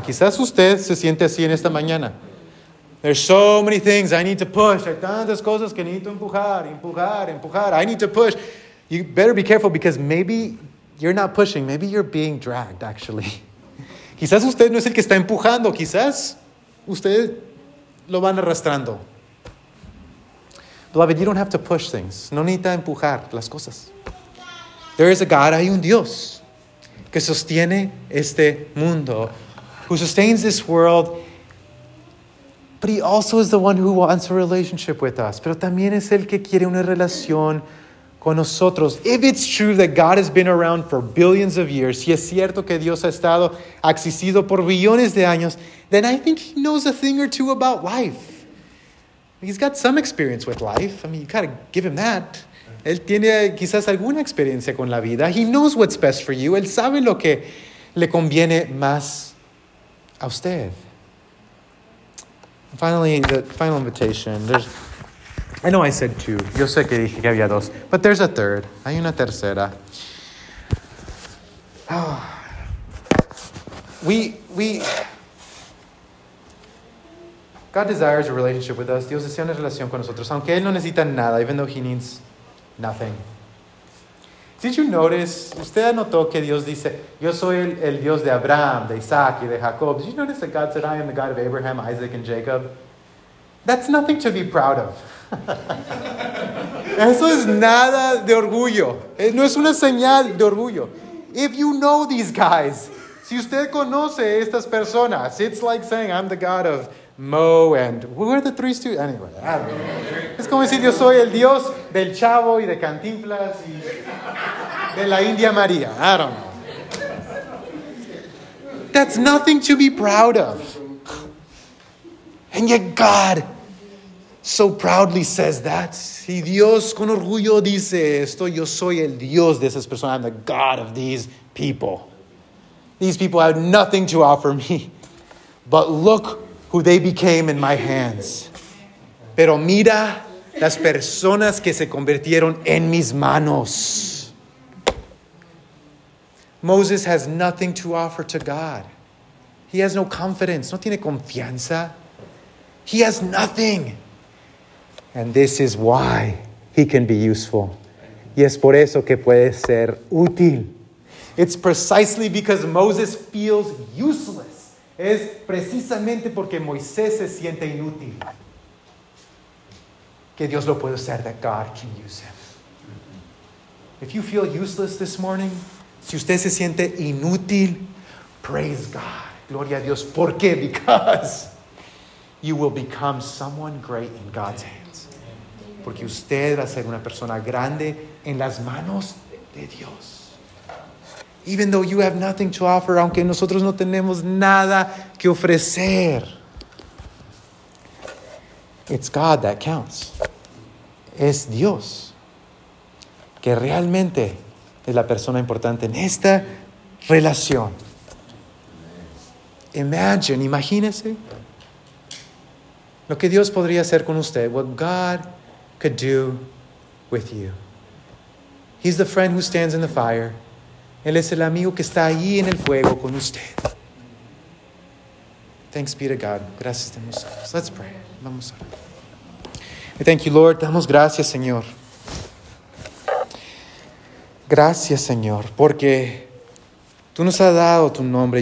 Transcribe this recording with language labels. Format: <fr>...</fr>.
<es>Quizás usted se siente así en esta mañana.</es> <en>There's so many things I need to push.</en> <es>Hay tantas cosas que necesito empujar, empujar, empujar.</es> <en>I need to push. You better be careful, because maybe you're not pushing. Maybe you're being dragged, actually.</en> <es>Quizás usted no es el que está empujando, quizás usted lo van arrastrando.</es> <en>Beloved, you don't have to push things.</en> <es>No necesita empujar las cosas.</es> <en>There is a God,</en> <es>hay un Dios que sostiene este mundo,</es> <en>who sustains this world, but he also is the one who wants a relationship with us.</en> <es>Pero también es el que quiere una relación con nosotros.</es> <en>If it's true that God has been around for billions of years,</en> <es>si es cierto que Dios ha estado, ha existido por billones de años,</es> <en>then I think he knows a thing or two about life. He's got some experience with life. I mean, you gotta give him that.</en> <es>Él tiene quizás alguna experiencia con la vida.</es> <en>He knows what's best for you.</en> <es>Él sabe lo que le conviene más a usted.</es> <en>Finally, the final invitation. I know I said two.</en> <es>Yo sé que dije que había dos.</es> <en>But there's a third.</en> <es>Hay una tercera.</es> <en>Oh. God desires a relationship with us.</en> <es>Dios desea una relación con nosotros. Aunque Él no necesita nada.</es> <en>Even though He needs nothing. Did you notice?</en> <es>Usted anotó que Dios dice, yo soy el Dios de Abraham, de Isaac, y de Jacob.</es> <en>Did you notice that God said, I am the God of Abraham, Isaac, and Jacob? That's nothing to be proud of.</en> <es>Eso es nada de orgullo. No es una señal de orgullo.</es> <en>If you know these guys,</en> <es>si usted conoce estas personas,</es> <en>it's like saying, I'm the God of Mo and... Who are the three students? Anyway, I don't know.</en> <es>Es como decir, yo soy el Dios del Chavo y de Cantinflas y de la India María.</es> <en>I don't know. That's nothing to be proud of. And yet God so proudly says that.</en> <es>Y Dios con orgullo dice esto. Yo soy el Dios de esas personas.</es> <en>I'm the God of these people. These people have nothing to offer me. But look who they became in my hands.</en> <es>Pero mira las personas que se convirtieron en mis manos.</es> <en>Moses has nothing to offer to God. He has no confidence.</en> <es>No tiene confianza.</es> <en>He has nothing. And this is why he can be useful.</en> <es>Y es por eso que puede ser útil.</es> <en>It's precisely because Moses feels useless.</en> <es>Es precisamente porque Moisés se siente inútil. Que Dios lo puede usar,</es> <en>that God can use him. If you feel useless this morning,</en> <es>si usted se siente inútil,</es> <en>praise God.</en> <es>Gloria a Dios. ¿Por qué?</es> <en>Because you will become someone great in God's hands.</en> <es>Porque usted va a ser una persona grande en las manos de Dios.</es> <en>Even though you have nothing to offer,</en> <es>aunque nosotros no tenemos nada que ofrecer,</es> <en>it's God that counts.</en> <es>Es Dios que realmente es la persona importante en esta relación. Imagínese lo que Dios podría hacer con usted.</es> <en>What God could do with you. He's the friend who stands in the fire.</en> <es>Él es el amigo que está ahí en el fuego con usted.</es> <en>Thanks be to God.</en> <es>Gracias a Dios.</es> <en>Let's pray.</en> <es>Vamos a orar.</es> <en>Thank you, Lord.</en> <es>Damos gracias, Señor. Gracias, Señor, porque tú nos has dado tu nombre.</es>